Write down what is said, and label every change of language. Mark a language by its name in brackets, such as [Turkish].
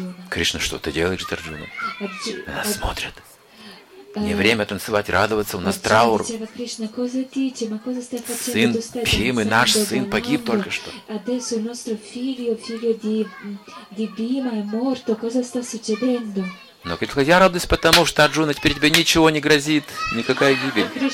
[Russian] Кришна, что ты делаешь, Арджуна? Она смотрит. Не время танцевать, радоваться, у нас траур. Сын Пхимы, наш сын, погиб только что. [Italian] Adesso il nostro figlio di Bhima è morto. Cosa sta succedendo? [Russian] Но Кришна говорит, я радуюсь, потому что Арджуна, теперь тебе ничего не грозит, никакая гибель.